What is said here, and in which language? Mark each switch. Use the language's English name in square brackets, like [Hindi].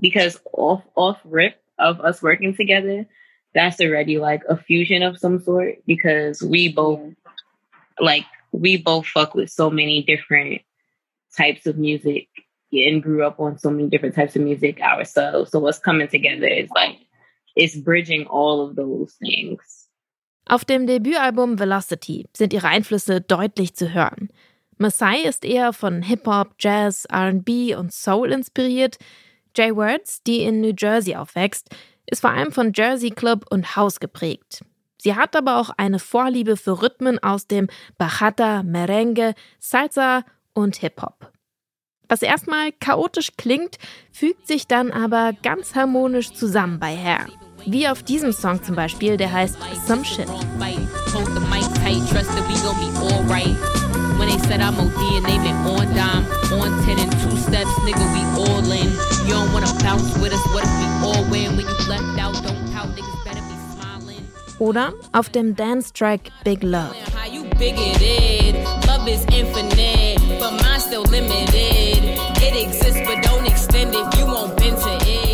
[English] Because off rip of us working together, that's already like a fusion of some sort because we both fuck with so many different types of music and grew up on so many different types of music ourselves. So what's coming together is like, it's bridging all of those things. [German] Auf dem Debütalbum Velocity sind ihre Einflüsse deutlich zu hören. Masai ist eher von Hip-Hop, Jazz, R&B und Soul inspiriert. Jay Wurz, die in New Jersey aufwächst, ist vor allem von Jersey Club und House geprägt. Sie hat aber auch eine Vorliebe für Rhythmen aus dem Bachata, Merengue, Salsa und Hip-Hop. Was erstmal chaotisch klingt, fügt sich dann aber ganz harmonisch zusammen bei Hair. Wie auf diesem Song zum Beispiel, der heißt Some Shit. [English] Hold the mic tight, trust that we gon' be alright. When they said I'm OD and they been on dime, on 10 and 2 steps, nigga, we all in. You don't wanna bounce with us, what if we all win? When you left out, don't count, niggas better be smiling. [German] Oder auf dem Dance Track Big Love. [English] How you bigger did? Love is infinite, but mine's still limited. It exists, but don't extend it, you won't bend to it.